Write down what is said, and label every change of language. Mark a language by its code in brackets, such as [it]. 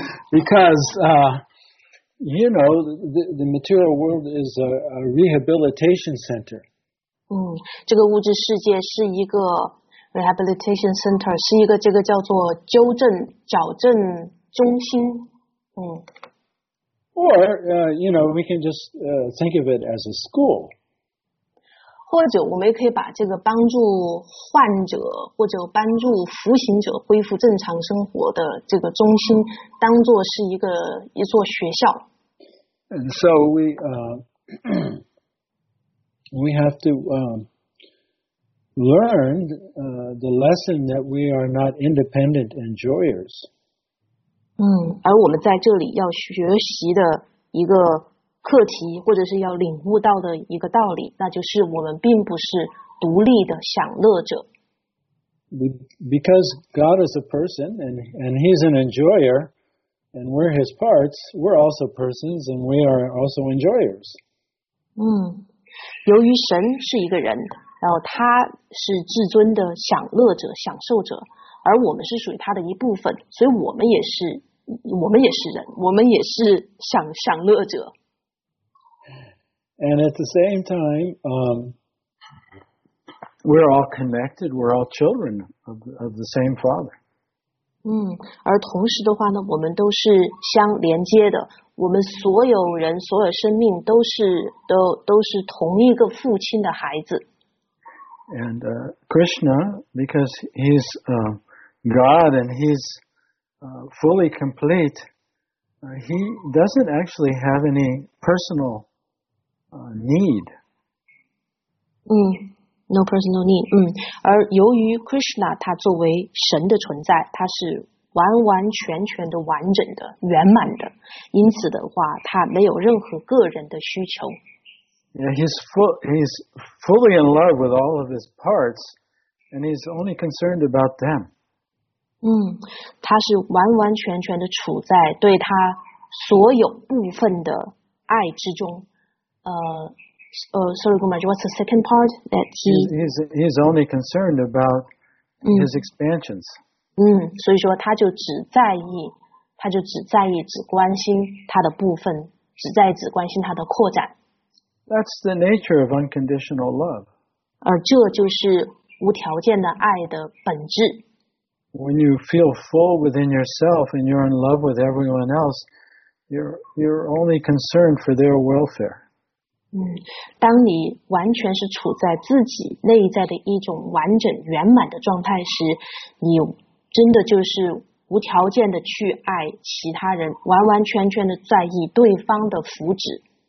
[en] Because, you know, the material world is a rehabilitation center. [zh] 这个物质世界是一个 [en] rehabilitation center, [zh] 是一个这个叫做纠正、矫正中心。 [en] Or, you know, we can just think of it as a school. [zh] 或者我们也可以把这个帮助患者或者帮助服刑者恢复正常生活的这个中心当作是一座学校。 [en] And so we have to learn the lesson that we are not independent enjoyers. [zh] 而我们在这里要学习的一个课题或者是要领悟到的一个道理，那就是我们并不是独立的享乐者。 [en] Because God is a person and He's an enjoyer, and we're His parts, we're also persons and we are also enjoyers. [zh] 由于神是一个人，然后他是至尊的享乐者、享受者，而我们是属于他的一部分，所以我们也是人，我们也是享乐者。 [en] And at the same time, we're all connected, we're all children of the same Father. [zh] 而同时的话呢，我们都是相连接的，我们所有人，所有生命都是同一个父亲的孩子。 [en] And Krishna, because he's God and he's fully complete, he doesn't actually have any personal need. No personal need. [zh] 而由于 Krishna 他作为神的存在，他是完完全全的完整的、圆满的，因此的话，他没有任何个人的需求。 [en] Yeah, he's fully in love with all of his parts, and he's only concerned about them. [zh] 他是完完全全的处在对他所有部分的爱之中。 [en] Sorry, Gumaj, what's the second part? That he's only concerned about his expansions. [zh] 所以说他就只在意，他就只在意，只关心他的部分，只在意，只关心他的扩展。 [en] That's the nature of unconditional love. [zh] 而这就是无条件的爱的本质。 [en] When you feel full within yourself and you're in love with everyone else, you're only concerned for their welfare. [zh] 当你完全是处在自己内在的一种完整圆满的状态时，你真的就是无条件的去爱其他人，完完全全的在意对方的福祉。